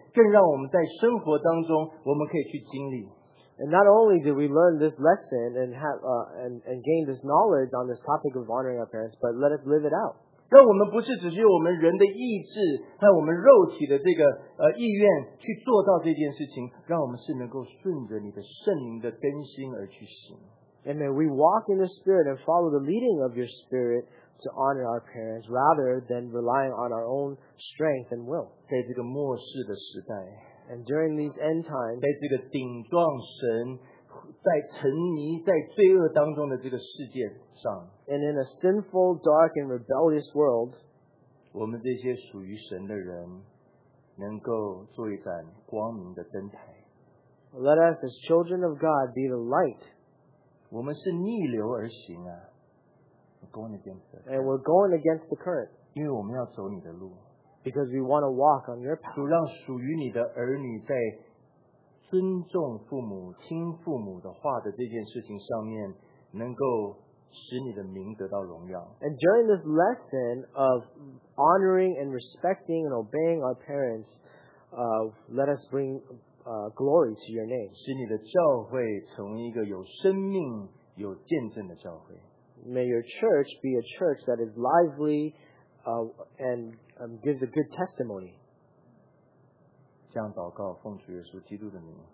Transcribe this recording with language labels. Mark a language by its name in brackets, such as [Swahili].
[Chinese] 让我们在学习孝敬父母的这件事情上面，不但有一个更正确的知识上面的观念，更让我们在生活当中，我们可以去经历。 [English] And not only did we learn this lesson and have and gain this knowledge on this topic of honoring our parents, but let us live it out. [Chinese] 让我们不是只是我们人的意志和我们肉体的这个意愿去做到这件事情，让我们是能够顺着你的圣灵的更新而去行。 [English] And may we walk in the Spirit and follow the leading of your Spirit to honor our parents rather than relying on our own strength and will. [Chinese] 在这个末世的时代, [English] and during these end times, [Chinese] 在这个顶撞神, 在沉迷在罪恶当中的这个世界上。 [English] And in a sinful, dark, and rebellious world, [Chinese] 我们这些属于神的人能够做一盏光明的灯台。 [English] Let us, as children of God, be the light. [Chinese] 我们是逆流而行啊。 [English] Going against the current. And we're going against the current. [Chinese] 因为我们要走你的路。 [English] Because we want to walk on your path. [Chinese] 主让属于你的儿女在尊重父母、听父母的话的这件事情上面，能够使你的名得到荣耀。 [English] And during this lesson of honoring and respecting and obeying our parents, let us bring glory to your name. [Chinese] 使你的教会成为一个有生命、有见证的教会。 [English] May your church be a church that is lively and gives a good testimony. [Chinese] 这样祷告，奉主耶稣基督的名。